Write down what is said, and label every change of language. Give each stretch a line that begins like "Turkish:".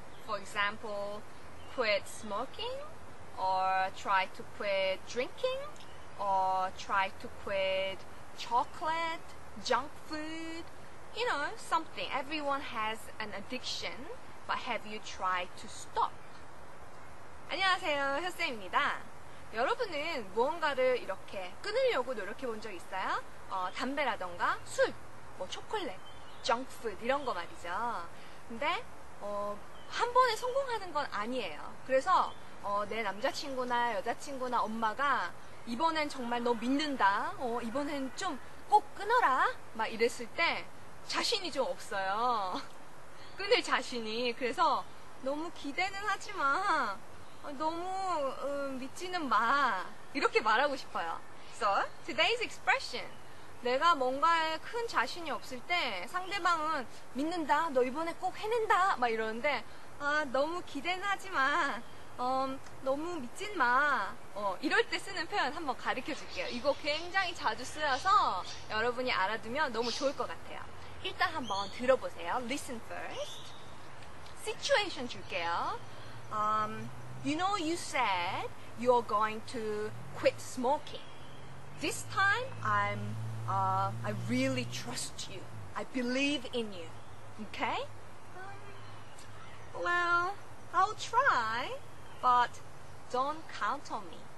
English: For example, quit smoking, or try to quit drinking, or try to quit chocolate, junk food, you know, something. Everyone has an addiction, but have you tried to stop?
Korean: 안녕하세요, 효쌤입니다. 여러분은 무언가를 이렇게 끊으려고 노력해 본 적 있어요? 담배라던가 술, 뭐 초콜릿, 정크푸드 이런 거 말이죠. 근데 한 번에 성공하는 건 아니에요. 그래서 내 남자친구나 여자친구나 엄마가 이번엔 정말 너 믿는다, 이번엔 좀 꼭 끊어라 막 이랬을 때 자신이 좀 없어요. 끊을 자신이. 그래서 너무 기대는 하지 마. 너무 믿지는 마. 이렇게 말하고 싶어요.
English: So, today's expression.
Korean: 내가 뭔가에 큰 자신이 없을 때 상대방은 믿는다. 너 이번에 꼭 해낸다. 막 이러는데 너무 기대는 하지 마. 너무 믿진 마. 이럴 때 쓰는 표현 한번 가르쳐 줄게요. 이거 굉장히 자주 쓰여서 여러분이 알아두면 너무 좋을 것 같아요. 일단 한번 들어보세요.
English: Listen first.
Korean: Situation 줄게요.
English: You know, you said you're going to quit smoking. This time, I really trust you. I believe in you. Okay? Well, I'll try, but don't count on me.